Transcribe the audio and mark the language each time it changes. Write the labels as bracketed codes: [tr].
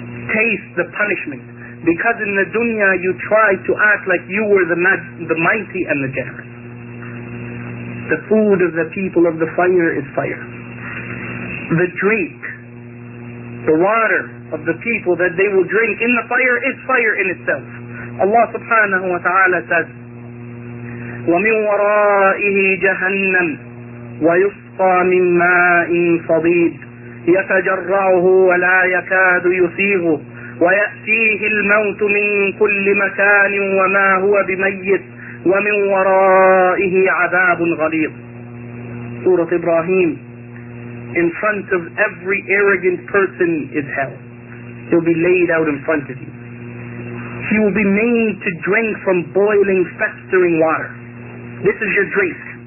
[en] Taste the punishment. Because in the dunya you tried to act like you were the mighty and the generous. The food of the people of the fire is fire. The drink, the water of the people that they will drink in the fire is fire in itself. [ar] Allah subhanahu wa ta'ala says, وَمِنْ وَرَائِهِ جَهَنَّمْ وَيُسْقَى مِنْ مَاءٍ صَدِيدٍ يَتَجَرَّعُهُ وَلَا يَكَادُ يُسِيغُهُ وَيَأْتِيهِ الْمَوْتُ مِنْ كُلِّ مَكَانٍ وَمَا هُوَ بِمَيِّتٍ وَمِنْ وَرَائِهِ عَذَابٌ غَلِيظٌ. [en] Surah Ibrahim, in front of every arrogant person is hell. He'll be laid out in front of you. He will be made to drink from boiling, festering water. This is your drink.